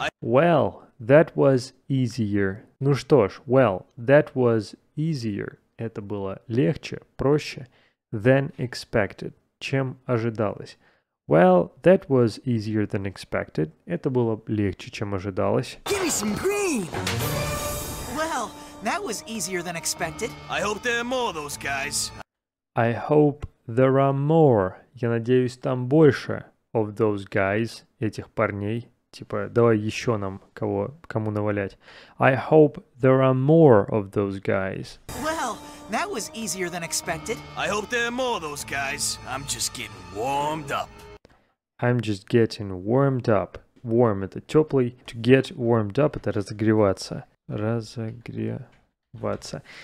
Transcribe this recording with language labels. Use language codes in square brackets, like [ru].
[en] Well, that was easier. [ru] Ну что ж, [en] well, that was easier. [ru] Это было легче, проще. [en] Than expected. [ru] Чем ожидалось. [en] Well, that was easier than expected. [ru] Это было легче, чем ожидалось. [en] Give me some green. That was easier than expected. I hope there are more of those guys. I hope there are more. [ru] Я надеюсь, там больше [en] of those guys, [ru] этих парней. Типа, давай еще нам кого, кому навалять. [en] I hope there are more of those guys. Well, that was easier than expected. I hope there are more of those guys. I'm just getting warmed up. I'm just getting warmed up. Warm — [ru] это теплый. [en] To get warmed up — [ru] это разогреваться. Разогреваться.